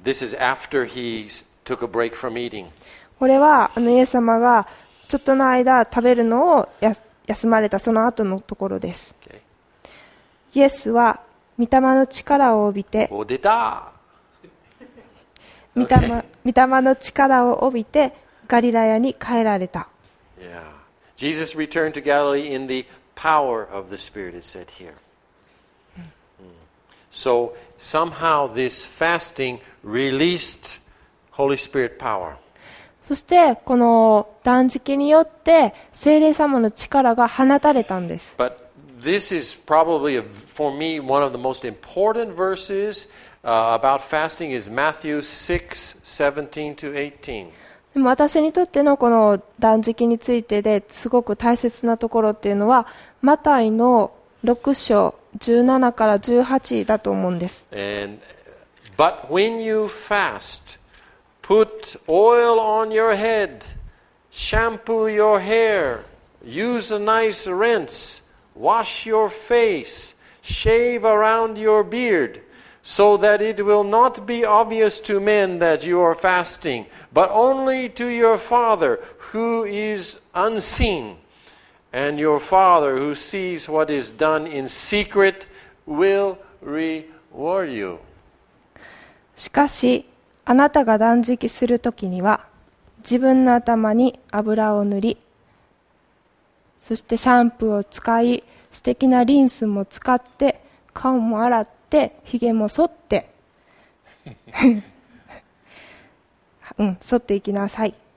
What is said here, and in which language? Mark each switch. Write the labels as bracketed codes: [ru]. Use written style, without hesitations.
[en] This is after he took a break from eating. [ja] これはイエス様がちょっとの間食べるのを休まれたその後のところです。イエスは御霊の力を帯びて、お出た。御霊の力を帯びてガリラヤに帰られた。 [en] Yeah. Jesus returned to Galilee in the power of the Spirit, it said here. So somehow this fasting released Holy Spirit power. [ja] そしてこの断食によって聖霊様の力が放たれたんです。 [en] But This is probably a, for me one of the most important verses about fasting is Matthew 6:17-18. [ja] でも私にとってのこの断食についてですごく大切なところっていうのはマタイの6章17から18だと思うんです。 [en] And, but when you fast, put oil on your head, shampoo your hair, use a nice rinse.Wash your face, shave around your beard, So that it will not be obvious to men that you are fasting, but only to your Father who is unseen. And your Father who sees what is done in secret will reward you. [ja] しかし、あなたが断食するときには、自分の頭に油を塗り、そしてシャンプーを使い、素敵なリンスも使って、顔も洗って、ヒゲも剃って剃っていきなさい。